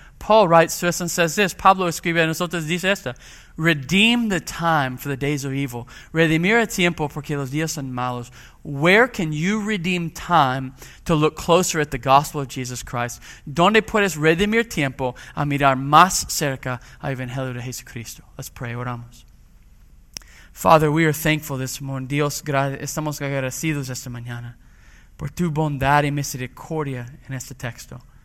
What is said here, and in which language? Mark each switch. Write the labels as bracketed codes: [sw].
[en] Paul writes to us and says this. [es] Pablo escribe a nosotros, dice esto. [en] Redeem the time for the days of evil. [es] Redimir el tiempo porque los días son malos. [en] Where can you redeem time to look closer at the gospel of Jesus Christ? [es] ¿Dónde puedes redimir tiempo a mirar más cerca al Evangelio de Jesucristo? [en] Let's pray, [es] oramos. [en] Father, we are thankful this morning. [es] Dios, estamos agradecidos esta mañana por tu bondad y misericordia en este texto.